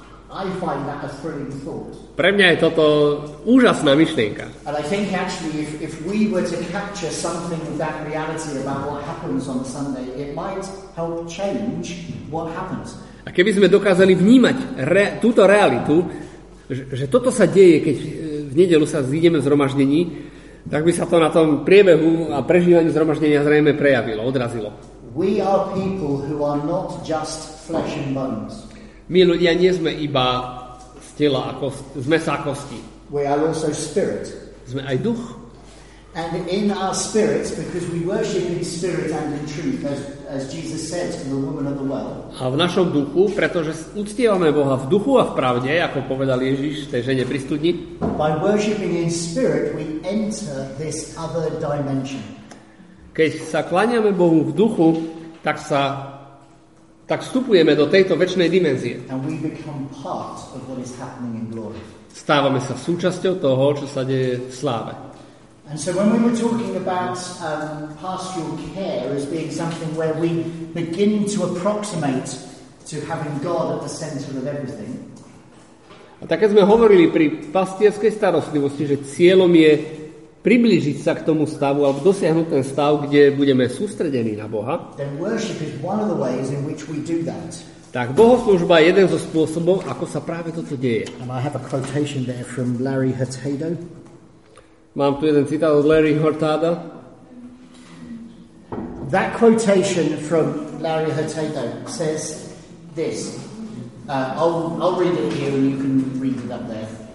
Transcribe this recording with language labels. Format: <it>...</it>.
<sk>Pre mňa je toto úžasná myšlienka. A keby sme dokázali vnímať túto realitu, že toto sa deje, keď v nedeľu sa zídeme v zhromaždení, tak by sa to na tom priebehu a prežívaní zhromaždenia zrejme prejavilo, odrazilo.</sk> <en>We are people who are not just flesh and bones.</en> <sk>My ľudia nie sme iba z tela a kosti, z mesa a kosti.</sk> <en>We are also spirit.</en> <sk>Sme aj duch.</sk> <en>And in our spirits, because we worship in spirit and in truth, as Jesus said to the woman of the well.</en> <sk>A v našom duchu, pretože uctievame Boha v duchu a v pravde, ako povedal Ježiš tej žene pri studni.</sk> <en>By worshiping in spirit, we enter this other dimension.</en> <sk>Keď sa kláňame Bohu v duchu, tak vstupujeme do tejto večnej dimenzie.</sk> <en>And we become part of what is happening in glory.</en> <sk>Stávame sa súčasťou toho, čo sa deje v sláve.</sk> <en>And so when we were talking about pastoral care as being something where we begin to approximate to having God at the center of everything.</en> <sk>A také sme hovorili pri pastierskej starostlivosti, že cieľom je približiť sa k tomu stavu alebo dosiahnuť ten stav, kde budeme sústredení na Boha.</sk> <en>Then worship is one of the ways in which we do that.</en> <sk>Tak bohoslužba je jeden zo spôsobov, ako sa práve toto deje.</sk> <en>And I have a quotation there from Larry Hurtado.</en> <sk>Mám tu jeden citát od Larry Hurtado.</sk> <en>That quotation from Larry Hurtado says this. I'll read it here and you can read it up there.</en>